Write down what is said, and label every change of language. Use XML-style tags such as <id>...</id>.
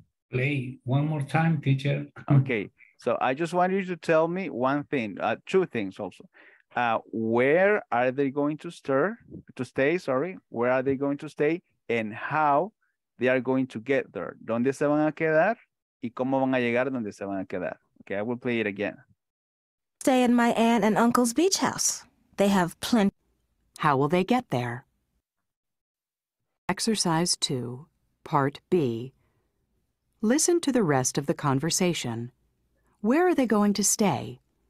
<en>Play one more time, teacher. Okay. So I just want you to tell me one thing, two things also. Where are they going to stay? Where are they going to stay and how they are going to get there?</en> <es>¿Dónde se van a quedar? ¿Y cómo van a llegar donde se van a quedar?</es> <en>Okay, I will play it again. Stay in my aunt and uncle's beach house. They have plenty. How will they get there? Exercise 2, Part B. Listen to the rest of the conversation. Where are they going to stay?</en>